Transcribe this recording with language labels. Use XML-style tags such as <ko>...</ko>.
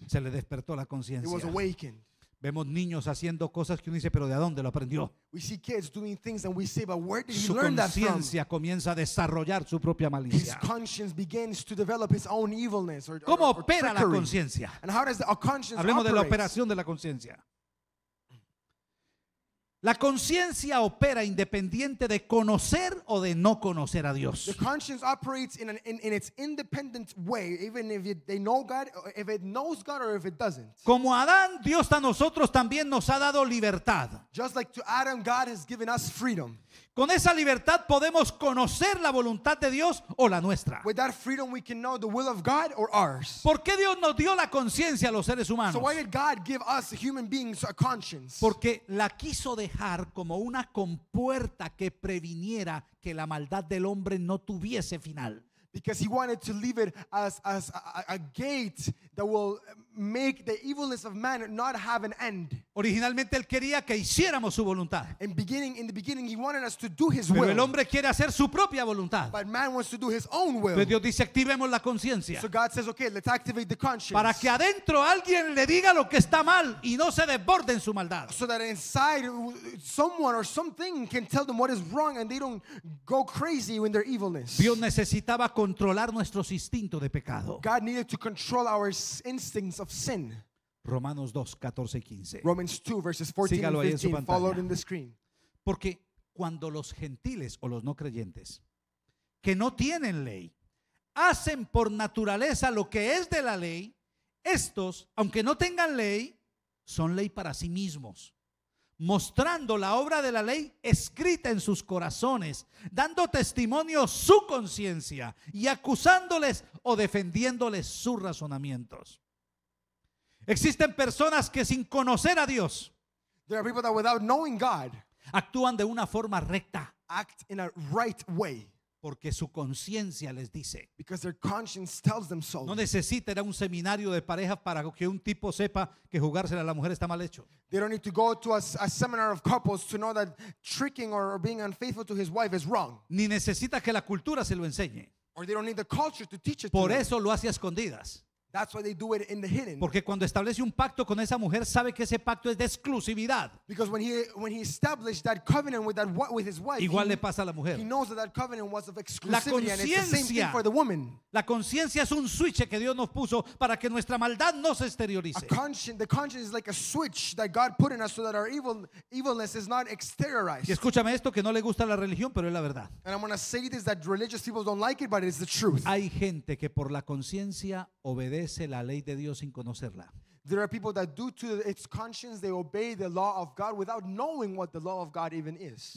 <es>Se le despertó la conciencia.</es> <en>It was awakened.</en> <es>Vemos niños haciendo cosas que uno dice, pero ¿de dónde lo aprendió?</es> <en>We see kids doing things and we say, but where did he learn that from?</en> <es>Su conciencia comienza a desarrollar su propia malicia.</es> <en>His conscience begins to develop his own evilness or</en> <es>¿cómo opera la conciencia?</es> <en>And how does the conscience</en> <es>Hablemos de la operación de la conciencia. La conciencia opera independiente de conocer o de no conocer a Dios.</es> <en>The conscience operates in its independent way, even if they know God, if it knows God or if it doesn't.</en> <es>Como Adán, Dios a nosotros también nos ha dado libertad.</es> <en>Just like to Adam, God has given us freedom.</en> <es>Con esa libertad podemos conocer la voluntad de Dios o la nuestra.</es> <en>With that freedom we can know the will of God or ours.</en> <es>¿Por qué Dios nos dio la conciencia a los seres humanos?</es> <en>So why did God give us human beings a conscience?</en> <es>Porque la quiso dejar como una compuerta que previniera que la maldad del hombre no tuviese final.</es> <en>Because he wanted to leave it as a gate that will make the evilness of man not have an end.</en> <es>Originalmente él quería que hiciéramos su voluntad.</es> <en>In the beginning he wanted us to do his</en> <es>Pero</es> <en>will.</en> <es>El hombre quiere hacer su propia voluntad.</es> <en>But man wants to do his own will.</en> <es>Pero Dios dice, activemos la conciencia.</es> <en>So God says, okay, let's activate the conscience.</en> <es>Para que adentro alguien le diga lo que está mal y no se desborde en su maldad.</es> <en>So that inside someone or something can tell them what is wrong and they don't go crazy in their evilness.</en> <es>Dios necesitaba controlar nuestros instintos de pecado.</es> <en>God needed to control our instincts of sin.</en> <es>Romanos 2, 14 y 15.</es> <en>Romans 2, verses 14</en> <es>Sígalo</es> <en>and 15, followed in the screen.</en> <es>Porque cuando los gentiles o los no creyentes, que no tienen ley, hacen por naturaleza lo que es de la ley, estos, aunque no tengan ley, son ley para sí mismos, mostrando la obra de la ley escrita en sus corazones, dando testimonio su conciencia y acusándoles o defendiéndoles sus razonamientos. Existen personas que sin conocer a Dios,</es> <en>there are people that without knowing God,</en> <es>actúan de una forma recta,</es> <en>act in a right way,</en> <es>porque su conciencia les dice.</es> <en>Because their conscience tells them so.</en> <es>No necesita ir a un seminario de parejas para que un tipo sepa que jugársela a la mujer está mal hecho.</es> <en>They don't need to go to a seminar of couples to know that tricking or being unfaithful to his wife is wrong.</en> <es>Ni necesita que la cultura se lo enseñe.</es> <en>Or they don't need the culture to teach it.</en> <es>Por</es> <en>to</en> <es>eso</es> <en>them.</en> <es>Lo hace a escondidas.</es> <en>That's why they do it in the hidden.</en> <es>Porque cuando establece un pacto con esa mujer sabe que ese pacto es de exclusividad.</es> <en>Because when he established that covenant with that with his wife,</en> <es>igual le pasa a la mujer.</es> <en>He knows that covenant was of exclusivity and it's the same thing for the woman.</en> <es>La conciencia es un switch que Dios nos puso para que nuestra maldad no se exteriorice.</es> <en>The conscience is like a switch that God put in us so that our evilness is not exteriorized.</en> <es>Y escúchame esto que no le gusta la religión, pero es la verdad.</es> <en>And I'm going to say this that religious people don't like it, but it's the truth.</en> <es>Hay gente que por la conciencia obedece la ley de Dios sin conocerla.</es> <en>There are people that due to its conscience they obey the law of God without knowing what the law of God even is.</en>